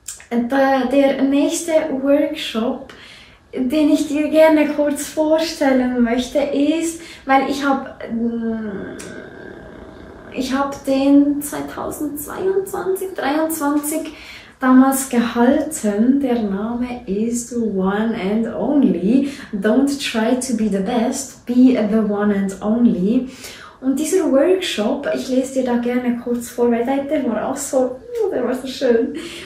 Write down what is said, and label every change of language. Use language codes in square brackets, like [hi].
[de] Der nächste Workshop, den ich dir gerne kurz vorstellen möchte, ist, weil ich habe den 2022/23 damals gehalten. Der Name ist One and Only. [en] Don't try to be the best, be the one and only. [de] Und dieser Workshop, ich lese dir da gerne kurz vor, weil der war so schön.